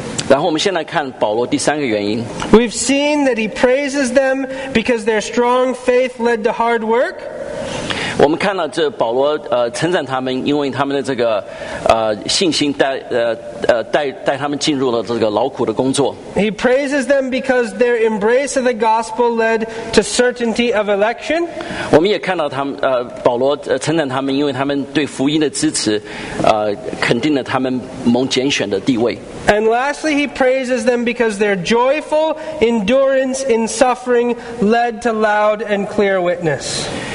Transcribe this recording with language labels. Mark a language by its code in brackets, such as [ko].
[zh] 然后我们先来看保罗第三个原因。 [en] We've seen that he praises them because their strong faith led to hard work. [zh] 我们看到这保罗称赞他们，因为他们的这个信心带他们进入了这个劳苦的工作。 [en] He praises them because their embrace of the gospel led to certainty of election. [zh] 我们也看到他们保罗称赞他们，因为他们对福音的支持肯定了他们蒙拣选的地位。 [en] And lastly, he praises them because their joyful endurance in suffering led to loud and clear witness.